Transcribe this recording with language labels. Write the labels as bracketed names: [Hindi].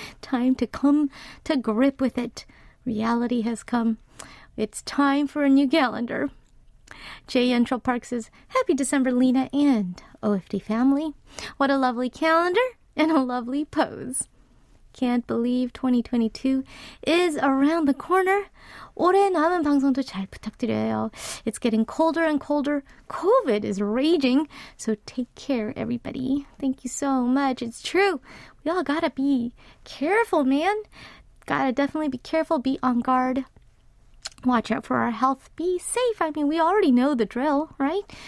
[English] Time to come to grip with it. Reality has come. It's time for a new calendar. Jay Entrell Park says, happy December, Lena and OFD family. What a lovely calendar and a lovely pose. Can't believe 2022 is around the corner. [Korean] 올해 남은 방송도 잘 부탁드려요. [English] It's getting colder and colder. COVID is raging. So take care, everybody. Thank you so much. It's true. We all gotta be careful, man. Gotta definitely be careful. Be on guard. Watch out for our health. Be safe. I mean, we already know the drill, right?